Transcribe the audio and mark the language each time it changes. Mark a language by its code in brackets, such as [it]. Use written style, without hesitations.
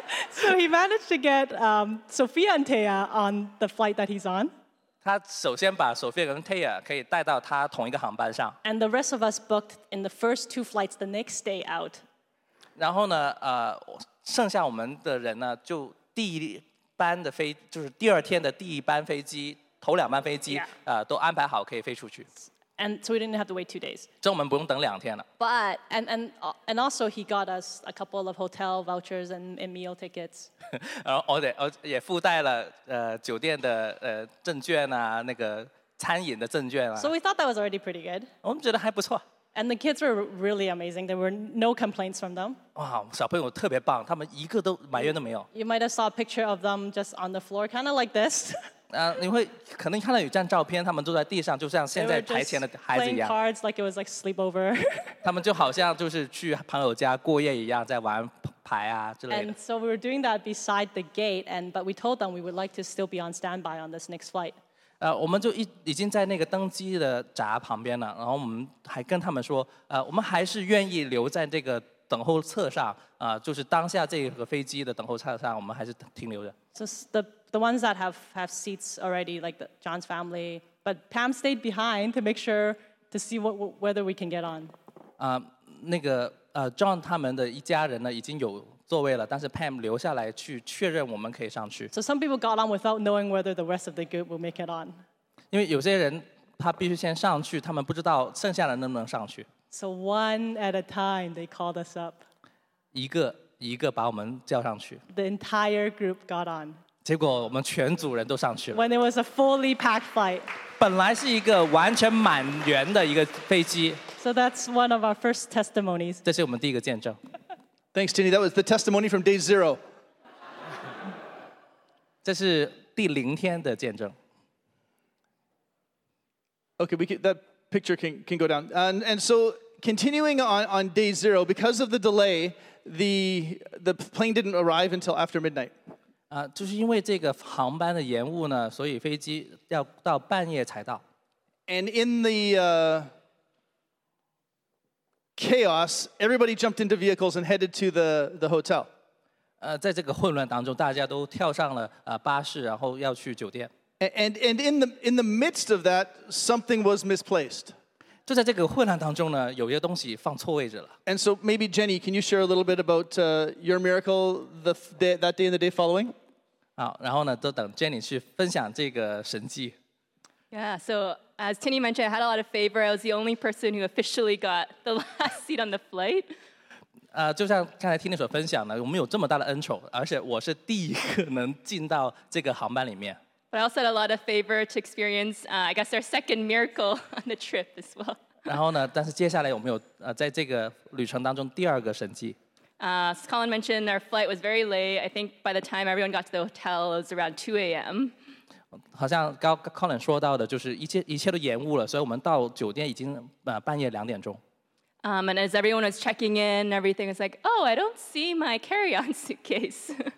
[en] So he managed to get Sophia and Taya on the flight that he's on. [zh] 他首先把 Sophia 跟 Taya 可以带到他同一个航班上。 [en] And the rest of us booked in the first two flights the next day out. [zh] 然后呢，剩下我们的人呢，就第一班的飞，就是第二天的第一班飞机，头两班飞机，都安排好可以飞出去。 [en] And so we didn't have to wait 2 days. [zh] 这我们不用等两天了。 [en] But and also he got us a couple of hotel vouchers and meal tickets. [zh] 然后也附带了酒店的证券啊，那个餐饮的证券啊。 [en] So we thought that was already pretty good. [zh] 我们觉得还不错。 [en] And the kids were really amazing. There were no complaints from them. [zh] 哇，小朋友特别棒，他们一个都埋怨都没有。 [en] You might have saw a picture of them just on the floor, kind of like this. [zh] 你会可能看到有张照片，他们坐在地上，就像现在台前的孩子一样。 [en] Cards, like it was like sleepover. [zh] 他们就好像就是去朋友家过夜一样，在玩牌啊之类的。 [en] And so we were doing that beside the gate, but we told them we would like to still be on standby on this next flight. [zh] 我们就已经在那个登机的闸旁边了，然后我们还跟他们说，我们还是愿意留在这个等候册上，就是当下这个飞机的等候册上，我们还是停留着。 [en] The ones that have seats already, like John's family, but Pam stayed behind to make sure to see whether we can get on. [zh] John 他们的一家人呢已经有座位了，但是 Pam 留下来去确认我们可以上去。 [en] So some people got on without knowing whether the rest of the group will make it on. [zh] 因为有些人他必须先上去，他们不知道剩下的能不能上去。 [en] So one at a time, they called us up. [zh] 一个一个把我们叫上去。 [en] The entire group got on. [zh] 结果我们全组人都上去了。 [en] When it was a fully packed flight. [zh] 本来是一个完全满员的一个飞机。 [en] So that's one of our first testimonies. [zh] 这是我们第一个见证。 [en] Thanks, Tini. That was the testimony from day zero. [zh] 这是第零天的见证。 [en] Okay, we could, that picture can go down. And so continuing on day zero, because of the delay, the plane didn't arrive until after midnight. [zh] 就是因为这个航班的延误呢, 所以飞机要到半夜才到。 [en] And in the chaos, everybody jumped into vehicles and headed to the hotel. [zh] 在这个混乱当中, 大家都跳上了, 巴士, 然后要去酒店。 [en] And in the midst of that, something was misplaced. [zh] 就在这个混乱当中呢, 有些东西放错位置了。 [en] And so maybe Jenny, can you share a little bit about your miracle that day and the day following? [zh] 好，然后呢，都等Jenny去分享这个神迹。 [en] Yeah, so as Tinny mentioned, I had a lot of favor. I was the only person who officially got the last seat on the flight. [zh] 就像刚才Tinny所分享的，我们有这么大的恩宠，而且我是第一个能进到这个航班里面。 [en] But I also had a lot of favor to experience, I guess, our second miracle on the trip as well. [zh] 然后呢，但是接下来有没有在这个旅程当中第二个神迹？ [en] As Colin mentioned, our flight was very late. I think by the time everyone got to the hotel, it was around 2 a.m. [zh] 好像刚Colin说到的，就是一切都延误了，所以我们到酒店已经半夜两点钟。 [en] And as everyone was checking in, everything was like, oh, I don't see my carry-on suitcase.